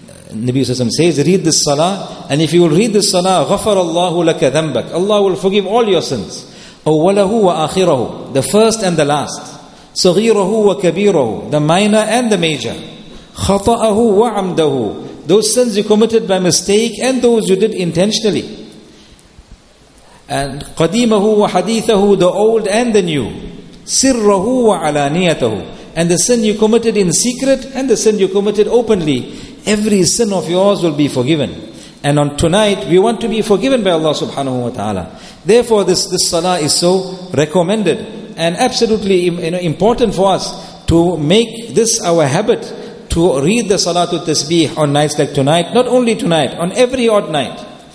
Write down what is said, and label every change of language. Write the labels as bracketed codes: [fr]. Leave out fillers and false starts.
[en] Nabi sallallahu alayhi wa sallam says, read this salah, and if you will read this salah, [ar] غَفَرَ اللَّهُ لَكَ ذَنْبَكَ. [en] Allah will forgive all your sins. [ar] أَوَّلَهُ وَآخِرَهُ. [en] The first and the last. [ar] صَغِيرَهُ وَكَبِيرَهُ. [en] The minor and the major. [ar] خَطَأَهُ وَعَمْدَهُ. [en] Those sins you committed by mistake and those you did intentionally. And [ar] قَدِيمَهُ وَحَدِيثَهُ. [en] The old and the new. [ar] سِرَّهُ وَعَلَانِيَتَهُ. [en] And the sin you committed in secret and the sin you committed openly. Every sin of yours will be forgiven. And on tonight, we want to be forgiven by Allah subhanahu wa ta'ala. Therefore, this salah is so recommended and absolutely important for us to make this our habit, to read the Salatul Tasbih on nights like tonight, not only tonight, on every odd night.